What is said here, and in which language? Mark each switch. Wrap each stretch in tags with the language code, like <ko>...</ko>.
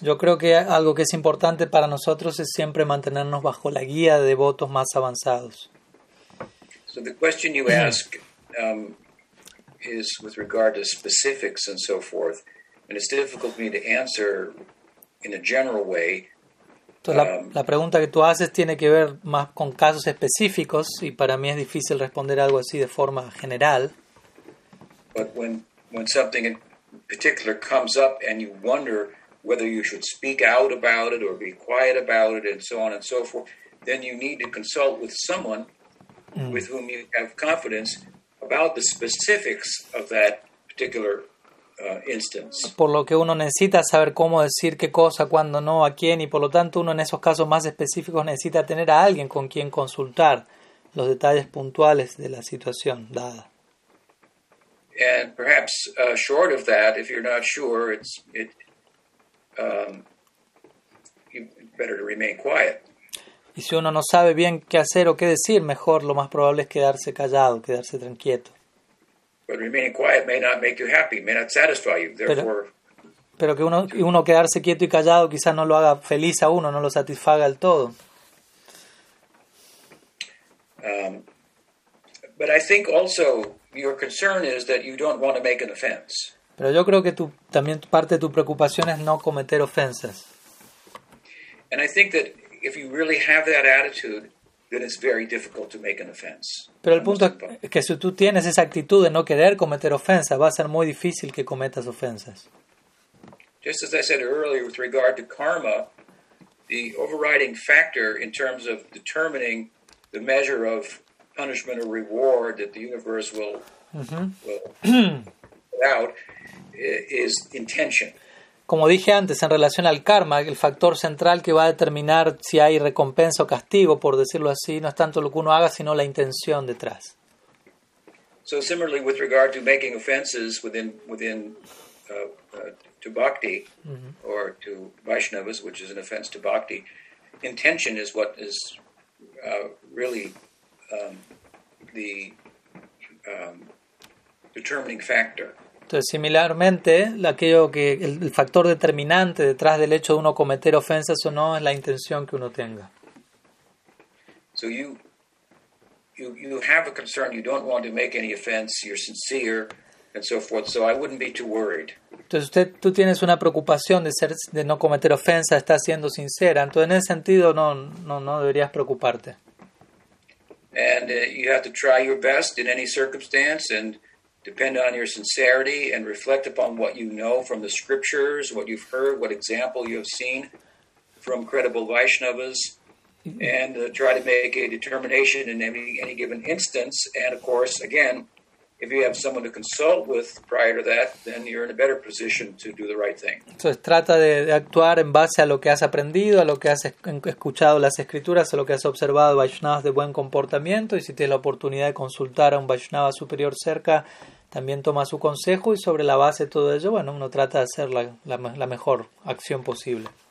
<es>Yo creo que algo que es importante para nosotros es siempre mantenernos bajo la guía de devotos más avanzados.</es> <en>So the question you ask... is with regard to specifics and so forth, and it's difficult for me to answer in a general way.</en> <es>Entonces, la pregunta que tú haces tiene que ver más con casos específicos, y para mí es difícil responder algo así de forma general.</es> <en>But when something particular comes up and you wonder whether you should speak out about it or be quiet about it and so on and so forth, then you need to consult with someone with whom you have confidence about the specifics of that particular instance.</en> <es>Por lo que uno necesita saber cómo decir qué cosa, cuándo no, a quién, y por lo tanto uno en esos casos más específicos necesita tener a alguien con quien consultar los detalles puntuales de la situación dada.</es> <en>And perhaps short of that, if you're not sure, it's better to remain quiet.</en> <es>Y si uno no sabe bien qué hacer o qué decir, mejor lo más probable es quedarse callado, quedarse tranquilo.</es> <en>But remaining quiet may not make you happy, may not satisfy you. Therefore,</en> <es>pero que uno quedarse quieto y callado quizás no lo haga feliz a uno, no lo satisfaga del todo.</es> <en>But I think also your concern is that you don't want to make an offense.</en> <es>Pero yo creo que también parte de tu preocupación es no cometer ofensas.</es> <en>And I think that if you really have that attitude, then it's very difficult to make an offense.</en> <es>Pero el punto es que si tú tienes esa actitud de no querer cometer ofensas, va a ser muy difícil que cometas ofensas.</es> <en>Just as I said earlier with regard to karma, the overriding factor in terms of determining the measure of punishment or reward that the universe will put out is intention.</en> <es>Como dije antes, en relación al karma, el factor central que va a determinar si hay recompensa o castigo, por decirlo así, no es tanto lo que uno haga, sino la intención detrás.</es> <en>So similarly with regard to making offenses within to bhakti, mm-hmm, or to Vaishnavas, which is an offense to bhakti, intention is what is really the determining factor.</en> <es>Entonces, similarmente, el factor determinante detrás del hecho de uno cometer ofensas o no es la intención que uno tenga.</es> <en>So you have a concern, you don't want to make any offense, you're sincere and so forth, so I wouldn't be too worried.</en> <es>Entonces, tú tienes una preocupación de no cometer ofensas, estás siendo sincera, entonces en ese sentido no deberías preocuparte.</es> <en>And you have to try your best in any circumstance and depend on your sincerity and reflect upon what you know from the scriptures, what you've heard, what example you have seen from credible Vaishnavas, and try to make a determination in any given instance. And of course, again, if you have someone to consult with prior to that, then you're in a better position to do the right thing.</en> <es>Entonces, trata de actuar en base a lo que has aprendido, a lo que has escuchado las escrituras, a lo que has observado Vaishnavas de buen comportamiento, y si tienes la oportunidad de consultar a un Vaishnava superior cerca, también toma su consejo, y sobre la base de todo ello, bueno, uno trata de hacer la mejor acción posible.</es>